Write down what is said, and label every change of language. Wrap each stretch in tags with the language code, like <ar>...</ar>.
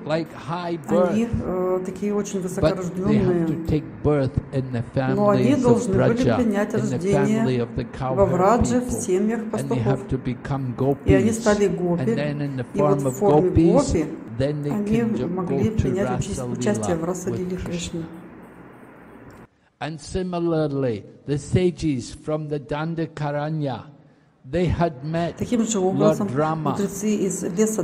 <ru>они такие очень высокорожденные. Но они должны были принять рождение во Врадже, в семьях пастухов. И они стали гопи. И вот в форме гопи они могли принять участие в Расалиле Кришны.</ru> <en>And similarly, the sages from the Dandakaranya, they had met</en> <ru>таким же образом мудрецы из леса</ru>